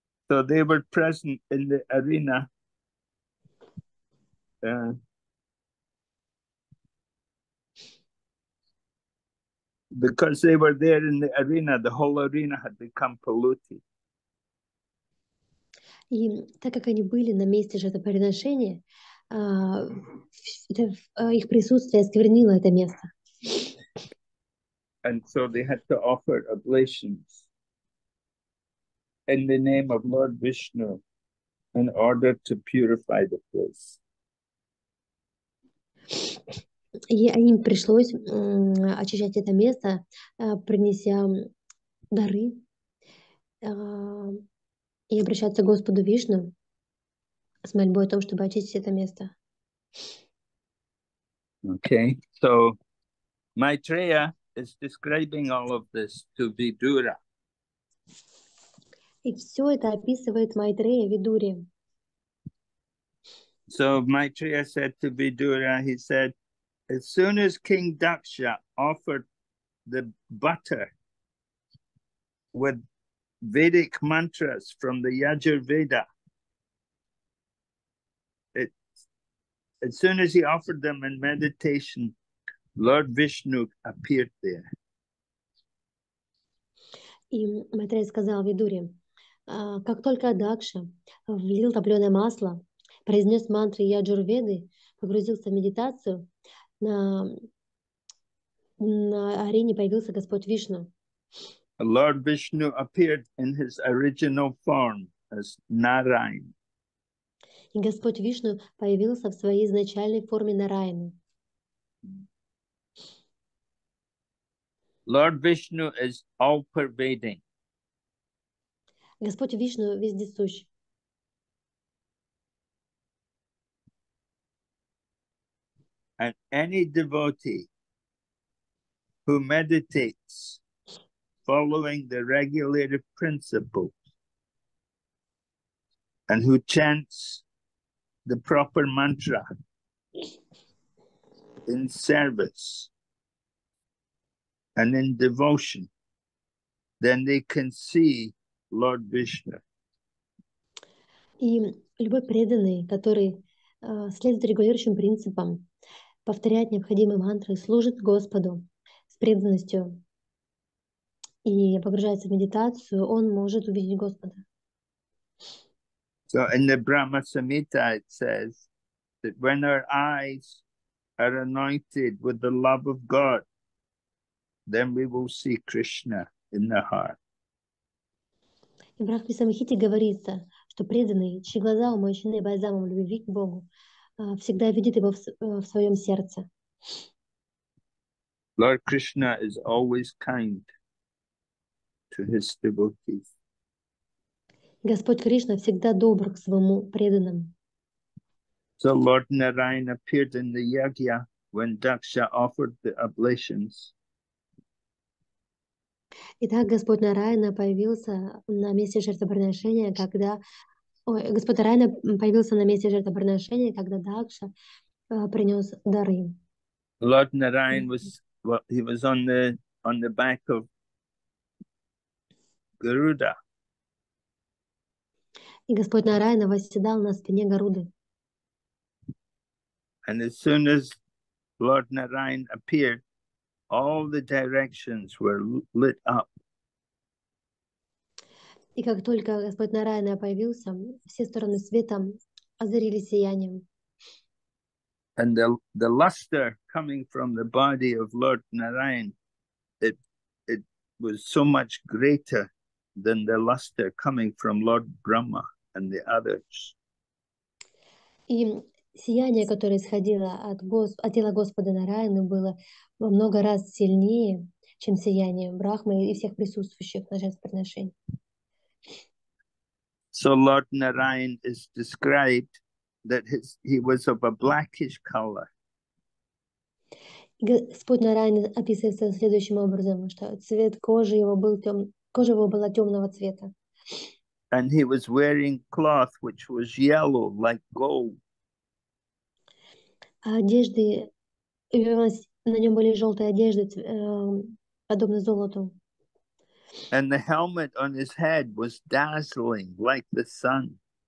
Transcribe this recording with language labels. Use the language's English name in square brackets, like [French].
[English] So they were present in the arena because they were there in the arena, the whole arena had become polluted. [Russian] И так как они были на месте жертвоприношения, их присутствие осквернило это место. [English] And so they had to offer oblations in the name of Lord Vishnu in order to purify the place. [Russian] И им пришлось очищать это место, принеся дары и обращаться к Господу Вишну с мольбой о том, чтобы очистить это место. [English] Okay, so Maitreya is describing all of this to Vidura. [Russian] И все это описывает Майтрея Видури. [English] So Maitreya said to Vidura, he said, as soon as King Daksha offered the butter with Vedic mantras from the Yajurveda, as soon as he offered them in meditation, Lord Vishnu appeared there. [Russian] И Майтрея сказал Видури: как только Дакша влил топленое масло, произнес мантры Яджурведы, погрузился в медитацию, на арене появился Господь Вишну. [English] Lord Vishnu appeared in his original form as Narayan. [Russian] И Господь Вишну появился в своей изначальной форме Нараяны. [English] Lord Vishnu is all-pervading. [Russian] Господь Вишну вездесущ. [English] And any devotee who meditates following the regulative principles and who chants the proper mantra in service and in devotion, then they can see Lord Vishnu. [Russian] И любой преданный, который следует регулирующим принципам, повторяет необходимые мантры, служит Господу с преданностью и погружается в медитацию, он может увидеть Господа. [English] So in the Brahma Samhita it says that when our eyes are anointed with the love of God, then we will see Krishna in the heart. [Russian] И в Брахме Самхите говорится, что преданный, чьи глаза умощены бальзамом любви к Богу, всегда видит его в своем сердце. [English] Lord Krishna is always kind to his devotees. [Russian] Господь Кришна всегда добр к своему преданному. [English] So Lord Narayan appeared in the yajna when Daksha offered the oblations. [Russian] Итак, Господь Нараяна появился на месте жертвоприношения, когда... Ой, Господь Нараяна появился на месте жертвоприношения, когда Дакша принес дары. [English] Lord Narayan was, well, he was on the back of Garuda. [Russian] И Господь Нараяна восседал на спине Гаруды. [English] And as soon as Lord Narayan appeared, all the directions were lit up. [Russian] И как только Господь Нараяна появился, все стороны света озарили сиянием. [English] And the luster coming from the body of Lord Narayan, it was so much greater than the luster coming from Lord Brahma and the others. [Russian] И сияние, которое исходило от тела Господа Нараяны, было во много раз сильнее, чем сияние Брахмы и всех присутствующих на жертвоприношении. [English] So Lord Narayan is described that he was of a blackish color. [Russian] Господь Нараян описывается следующим образом, что цвет кожи его был тем, кожа его была темного цвета. [English] And he was wearing cloth which was yellow, like gold. [Russian] А одежды, на нем были желтые одежды, подобно золоту. [English] And the helmet on his head was dazzling like the sun.